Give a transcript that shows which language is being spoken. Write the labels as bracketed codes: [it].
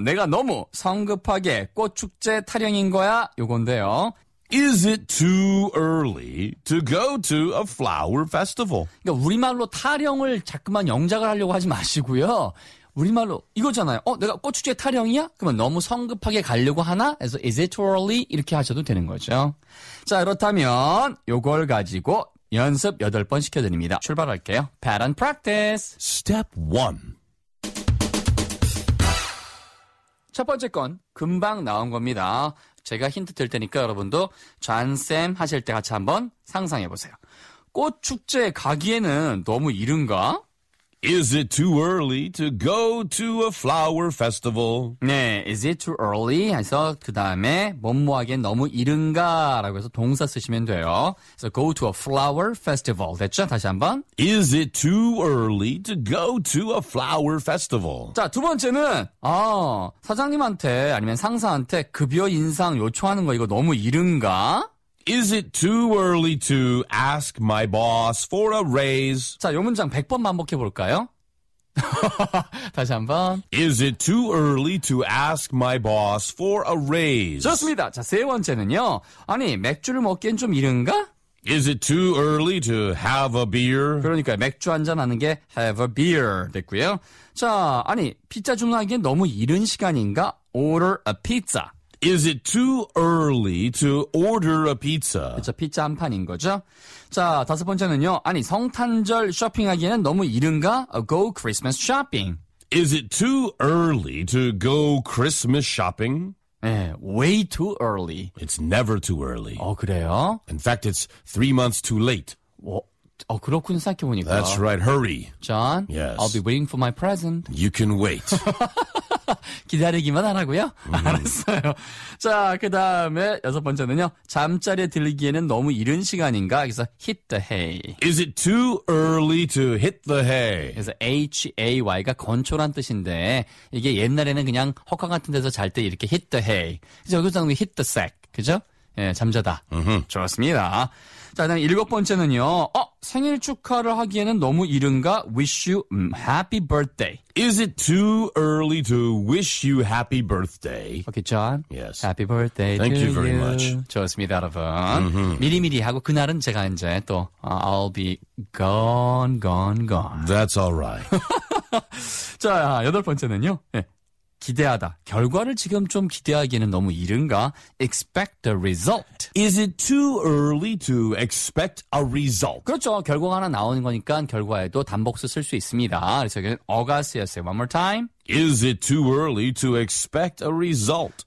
[ko] 내가 너무 성급하게 꽃축제 타령인 거야? 요건데요. [en] Is it too early to go to a flower festival? [ko] 그러니까 우리말로 타령을 자꾸만 영작을 하려고 하지 마시고요. 우리말로 이거잖아요. 내가 꽃축제 타령이야? 그러면 너무 성급하게 가려고 하나? 그래서 [en] is it too early? [ko] 이렇게 하셔도 되는 거죠. 자, 그렇다면 요걸 가지고 연습 8번 시켜드립니다. 출발할게요. [en] Pattern practice. Step 1. [ko] 첫 번째 건 금방 나온 겁니다. 제가 힌트 드릴 테니까 여러분도 잔쌤 하실 때 같이 한번 상상해보세요. 꽃축제 가기에는 너무 이른가? [en] Is it too early to go to a flower festival? [ko] 네, [en] is it too early? [ko] 해서 그 다음에 뭐뭐하기엔 너무 이른가? 라고 해서 동사 쓰시면 돼요. [en] So go to a flower festival. [ko] 됐죠? 다시 한번. [en] Is it too early to go to a flower festival? [ko] 자, 두 번째는 사장님한테 아니면 상사한테 급여 인상 요청하는 거 이거 너무 이른가? [en] Is it too early to ask my boss for a raise? [ko] 자, 요 문장 100번 반복해 볼까요? 다시 한번. [en] Is it too early to ask my boss for a raise? [ko] 좋습니다. 자, 세 번째는요. 아니, 맥주를 먹기엔 좀 이른가? [en] Is it too early to have a beer? [ko] 그러니까 맥주 한잔 하는 게 [en] have a beer [ko] 됐고요. 자, 아니, 피자 주문하기엔 너무 이른 시간인가? [en] Order a pizza. Is it too early to order a pizza? [ko] 그쵸, 피자 한 판인 거죠. 자, 다섯 번째는요. 아니, 성탄절 쇼핑하기에는 너무 이른가? [en] Go Christmas shopping. Is it too early to go Christmas shopping? [ko] 네, [en] way too early. It's never too early. [ko] 그래요? [en] In fact, it's 3 months too late. [ko] 그렇군 생각해보니까. [en] That's right, hurry. John, yes. I'll be waiting for my present. You can wait. [ko] 기다리기만 하라고요? Mm-hmm. 알았어요. 자, 그 다음에 여섯 번째는요. 잠자리에 들기에는 너무 이른 시간인가? 그래서 [en] hit the hay. Is it too early to hit the hay? [ko] 그래서 H-A-Y가 건초란 뜻인데 이게 옛날에는 그냥 허가 같은 데서 잘 때 이렇게 hit the hay. 그래서 여기서는 [en] hit the sack. [ko] 그죠? 예, 잠자다. Mm-hmm. 좋았습니다. 자, 그다음 일곱 번째는요. 생일 축하를 하기에는 너무 이른가? [en] Wish you happy birthday. Is it too early to wish you happy birthday? Okay, John. Yes. Happy birthday. Thank to you very you. much. [ko] 좋습니다, 여러분. Mm-hmm. 미리미리 하고 그날은 제가 이제 또 [en] I'll be gone, gone, gone. That's all right. [ko] 자, 여덟 번째는요. 예. 기대하다. 결과를 지금 좀 기대하기에는 너무 이른가? [en] Expect the result. Is it too early to expect a result? [ko] 그렇죠. 결과가 하나 나오는 거니까 결과에도 단복수 쓸 수 있습니다. 그래서 여기는 어가 쓰였어요. [en] One more time. Is it too early to expect a result?